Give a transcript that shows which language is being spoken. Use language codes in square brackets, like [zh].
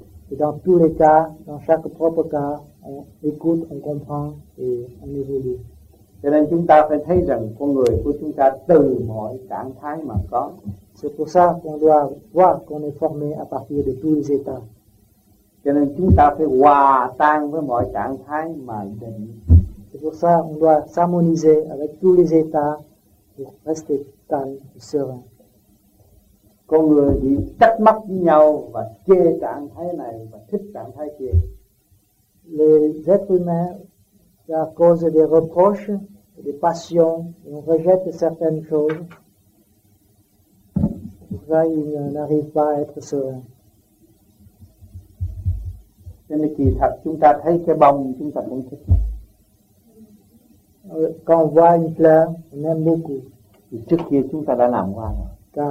[fr] Et dans tous les cas, dans chaque propre cas, on écoute, on comprend et on évolue. C'est pour ça qu'on doit voir qu'on est formé à partir de tous les états. [vi] Cho nên chúng ta phải hòa tan với mọi trạng thái mà định. [fr] C'est pour ça qu'on doit s'harmoniser avec tous les états pour rester calme et serein. [vi] Con người bị trách móc với nhau và chê trạng thái này và thích trạng thái kia. [fr] Les êtres humains, c'est à cause des reproches, des passions, et on rejette certaines choses. Pour ça, ils n'arrivent pas à être serein. [vi] Cho nên kỳ thật chúng ta thấy cái bông chúng ta cũng thích. [fr] Quand on voit une fleur, on aime beaucoup. [vi] Thì trước kia chúng ta đã làm qua rồi.